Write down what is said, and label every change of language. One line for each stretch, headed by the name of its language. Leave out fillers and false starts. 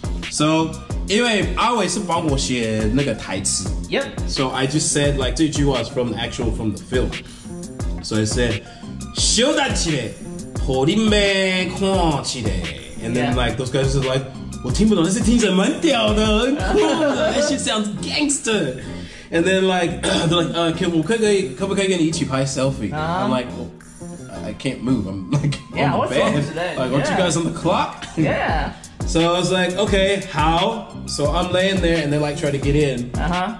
Chinese: So, 因为阿伟是帮我写那个台词。
English: Yep. So I just said like
Chinese: 这句话是
English: from the film. So I said,
Chinese: 小胆起来，好你妹看起来。
English: And then、yeah. like those guys are like.
Chinese: 我听不懂，但是听起来蛮屌的，很酷的。
English: That shit sounds gangster. And then like, they're like, can we
Chinese: 跟你一起拍
English: selfie?、I'm like,、oh, I can't move. I'm like, yeah, on the bed. Today? Like, aren't、 yeah. you guys on the clock? Yeah. So I was like, okay, how? So I'm laying there and they're like trying to get in. Uh-huh.